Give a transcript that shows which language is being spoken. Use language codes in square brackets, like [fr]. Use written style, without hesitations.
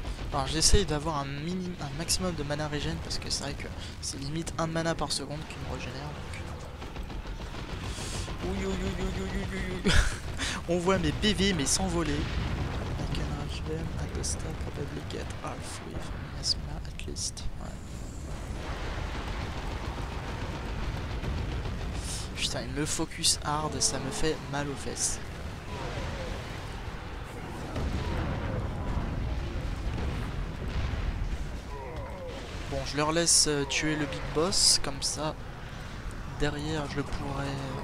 [fr] Alors j'essaye d'avoir un maximum de mana régène parce que c'est vrai que c'est limite 1 mana par seconde qui me régénère. Donc... Ouh, ouh, ouh, ouh, ouh, ouh, ouh, ouh. On voit mes PV mais sans voler. [en] I can rush them at the start, probably get half with miasma at least. [fr] Ouais. Putain il me focus hard et ça me fait mal aux fesses. Bon, je leur laisse tuer le big boss, comme ça, derrière, je pourrais...